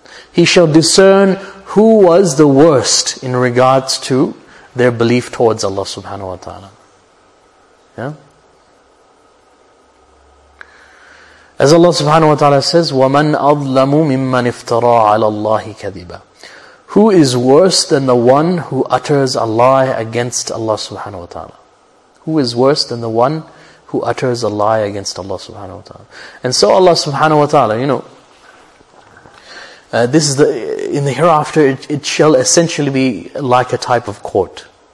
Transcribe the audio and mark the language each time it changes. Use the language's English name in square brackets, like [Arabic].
[English] He shall discern who was the worst in regards to their belief towards Allah subhanahu wa ta'ala. Yeah? As Allah subhanahu wa ta'ala says, [Arabic] وَمَنْ أَظْلَمُ مِمَّنِ افْتَرَى عَلَى اللَّهِ كَذِبًا. [English] Who is worse than the one who utters a lie against Allah subhanahu wa ta'ala? Who is worse than the one who utters a lie against Allah subhanahu wa ta'ala? And so Allah subhanahu wa ta'ala, you know, this is the, in the hereafter, it shall essentially be like a type of court.